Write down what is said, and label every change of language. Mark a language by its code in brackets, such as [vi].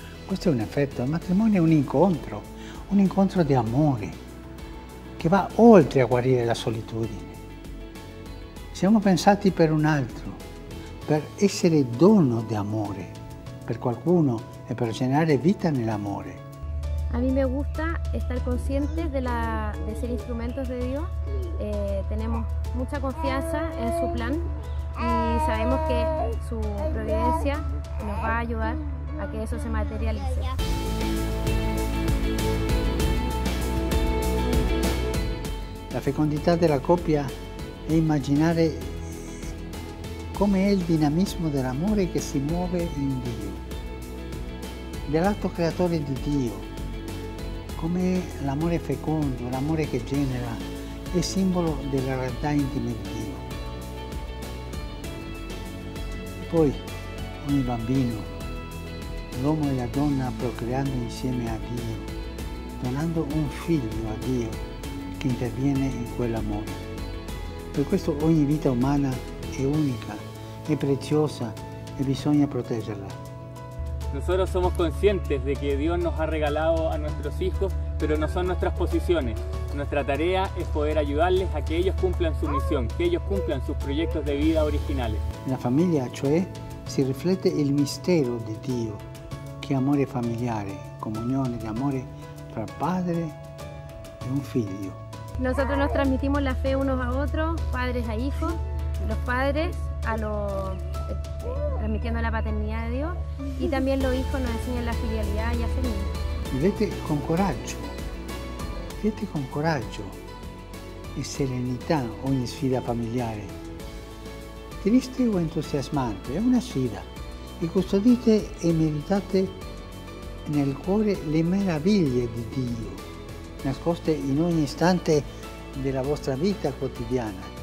[it] questo è un effetto, il matrimonio è un incontro di amore che va oltre a guarire la solitudine. Siamo pensati per un altro, per essere dono di amore per qualcuno e per generare vita nell'amore. [es] A mí me gusta estar consciente de ser instrumentos de Dios. Tenemos mucha confianza en su plan y sabemos que su providencia nos va a ayudar a que eso se materialice. La fecundidad de la copia es imaginar cómo es el dinamismo del amor que se mueve en Dios, del acto creador de Dios. [it] Come l'amore fecondo, l'amore che genera, è simbolo della realtà intima di Dio. Poi ogni bambino, l'uomo e la donna procreando insieme a Dio, donando un figlio a Dio che interviene in quell'amore. Per questo ogni vita umana è unica, è preziosa e bisogna proteggerla. [es] Nosotros somos conscientes de que Dios nos ha regalado a nuestros hijos, pero no son nuestras posiciones. Nuestra tarea es poder ayudarles a que ellos cumplan su misión, que ellos cumplan sus proyectos de vida originales. La familia, [it] cioè, si reflete [es] el misterio de Dios, que [it] amore familiare, comunione de amore tra padre e un figlio. [es] Nosotros nos transmitimos la fe unos a otros, padres a hijos, los padres a los transmitiendo la paternidad de Dios y también los hijos nos enseñan la filialidad y a ser niños. [it] Vivete con coraggio, vivete con coraggio e serenità ogni sfida familiare. Triste o entusiasmante, è una sfida. E custodite e meditate nel cuore le meraviglie di Dio, nascoste in ogni istante della vostra vita quotidiana.